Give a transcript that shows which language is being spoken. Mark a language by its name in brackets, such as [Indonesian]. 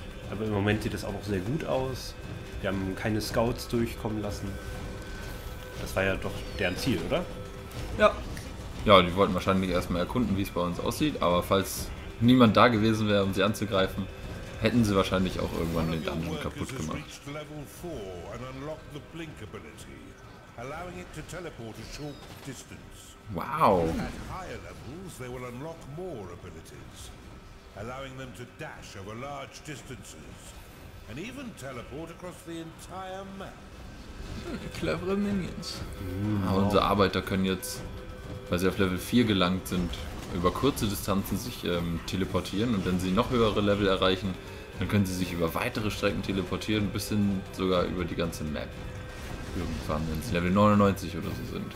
[German] Aber im Moment sieht das auch noch sehr gut aus. Wir haben keine Scouts durchkommen lassen. Das war ja doch deren Ziel, oder? Ja. Ja, die wollten wahrscheinlich erstmal erkunden, wie es bei uns aussieht. Aber falls niemand da gewesen wäre, um sie anzugreifen, hätten sie wahrscheinlich auch irgendwann den Dungeon kaputt gemacht. [English] Level 4 and unlocked the blink ability, allowing it to teleport a short distance. Wow. At higher levels, they will unlock more abilities, allowing them to dash over large distances and even teleport across the entire map. [German] Clevere Minions. Wow. Unsere Arbeiter können jetzt, weil sie auf Level 4 gelangt sind, über kurze Distanzen sich teleportieren, und wenn sie noch höhere Level erreichen, dann können sie sich über weitere Strecken teleportieren, bis hin sogar über die ganze Map. Irgendwann, wenn sie Level 99 oder so sind.